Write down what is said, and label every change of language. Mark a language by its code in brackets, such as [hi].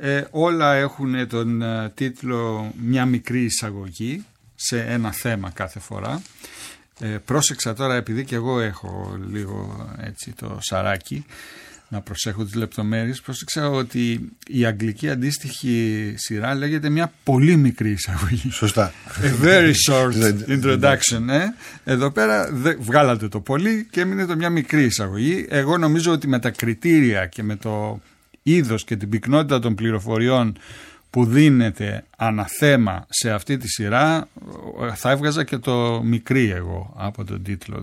[el] Όλα έχουν τον τίτλο «Μια μικρή εισαγωγή σε ένα θέμα κάθε φορά». Πρόσεξα τώρα, επειδή και εγώ έχω λίγο έτσι το σαράκι να προσέχω τις λεπτομέρειες, πρόσεξα ότι η αγγλική αντίστοιχη σειρά λέγεται «Μια πολύ μικρή εισαγωγή». Σωστά. [en] A very short introduction. [el] Εδώ πέρα βγάλατε το «πολύ» και έμεινε το «μια μικρή εισαγωγή». Εγώ νομίζω ότι με τα κριτήρια και με το είδος και την πυκνότητα των πληροφοριών που δίνεται αναθέμα σε αυτή τη σειρά, θα έβγαζα και το μικρή εγώ από τον τίτλο.